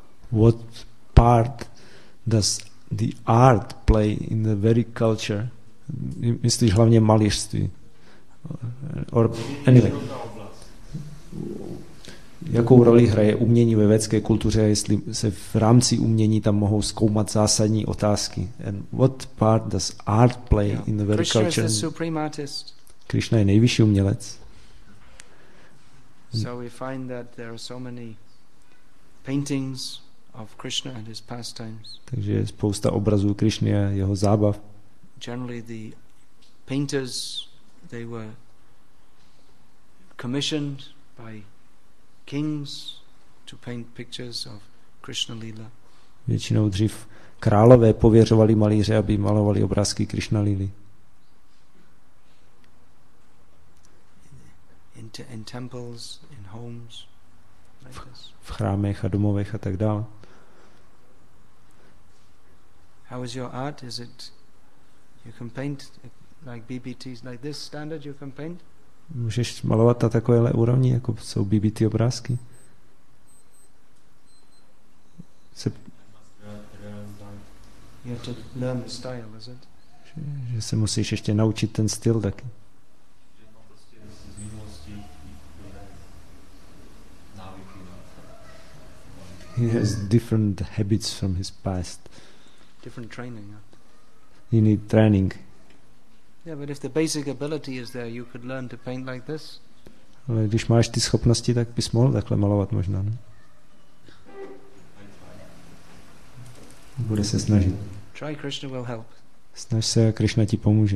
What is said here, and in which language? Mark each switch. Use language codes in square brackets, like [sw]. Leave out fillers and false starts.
[en] What part does the art play in the very culture? [cs] Myslíš hlavně malířství? [en] Or anyway. [cs] Jakou roli hraje umění ve vědecké kultuře, jestli se v rámci umění tam mohou zkoumat zásadní otázky? [en] And what part does art play in the very culture? Krishna is the supreme artist. [cs] Krishna je nejvyšší umělec. [en] So we find that there are so many paintings of Krishna and his pastimes. [cs] Takže je spousta obrazů Krishny a jeho zábav. [en] Generally the painters, they were commissioned by kings to paint pictures of Krishna Lila. [cs] Většinou dřív králové pověřovali malíře, aby malovali obrázky Krishna Lily. [en] In temples, in homes, [cs] v chrámech a domovech a tak dále. [en] How is your art? Is it you can paint like BBTs, like this standard you can paint? [cs] Můžeš malovat na takovéhle úrovni, jako jsou BBT obrázky? [en] You have to learn the style, is it? [cs] Že se musíš ještě naučit ten styl taky. [en] He has different habits from his past. Different training. You need training. Yeah, but if the basic ability is there, you could learn to paint like this. [cs] Ale když máš ty schopnosti, tak bys mohl takhle malovat možná, ne? Bude se snažit. [en] Try, Krishna will help. [cs] Snaž se a Krishna ti pomůže.